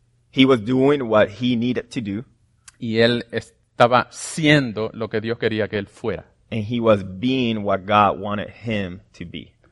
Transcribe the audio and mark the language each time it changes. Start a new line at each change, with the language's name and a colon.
English: He was doing what he needed to do.
Spanish: Y él estaba siendo lo que Dios quería que él fuera.
English: And he was being what God wanted him to be.